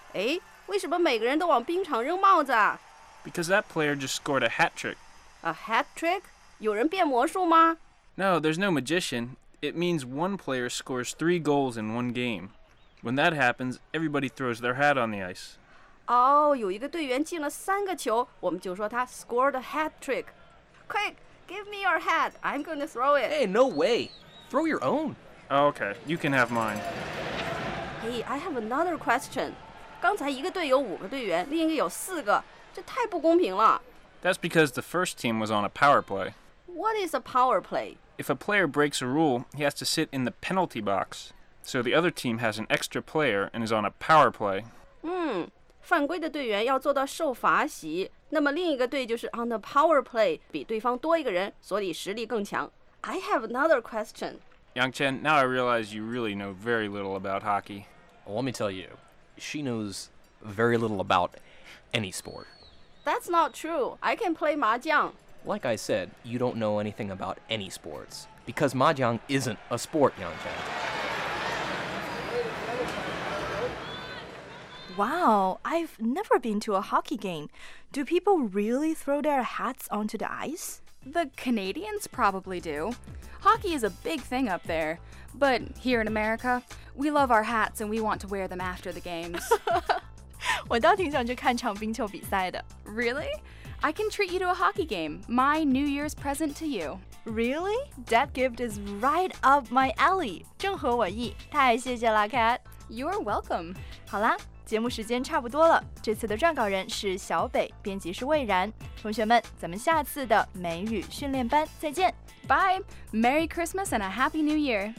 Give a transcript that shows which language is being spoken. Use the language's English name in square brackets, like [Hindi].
[Chinese] 诶，为什么每个人都往冰场扔帽子啊？ [English] Because that player just scored a hat trick. [Chinese] A hat trick? 有人变魔术吗？ [English] No, there's no magician. It means one player scores 3 goals in one game. When that happens, everybody throws their hat on the ice. Oh, [Chinese] 有一个队员进了3个球，我们就说他 [English] scored a hat trick. Quick! Give me your hat. I'm going to throw it. Hey, no way. Throw your own. Okay, you can have mine. Hey, I have another question. [Chinese] 刚才一个队有五个队员，另一个有四个，这太不公平了。 [English] That's because the first team was on a power play. What is a power play? If a player breaks a rule, he has to sit in the penalty box. So the other team has an extra player and is on a power play. [Chinese] 犯规的队员要坐到受罚席，那么另一个队就是 on the power play， 比对方多一个人，所以实力更强。 [English] I have another question. Yangchen, now I realize you really know very little about hockey. Well, let me tell you, she knows very little about any sport. That's not true. I can play mahjong. Like I said, you don't know anything about any sports because mahjong isn't a sport, Yangchen. Wow, I've never been to a hockey game. Do people really throw their hats onto the ice? The Canadians probably do. Hockey is a big thing up there. But here in America, we love our hats and we want to wear them after the games. [Chinese] 我倒挺想去看场冰球比赛的。 [English] Really? I can treat you to a hockey game. My New Year's present to you. Really? That gift is right up my alley. [Chinese] 正合我意。太谢谢了, [English] Kat. You're welcome. [Chinese] 好啦。节目时间差不多了，这次的撰稿人是小北，编辑是魏然。同学们，咱们下次的美语训练班再见。 [English] Bye, Merry Christmas and a Happy New Year.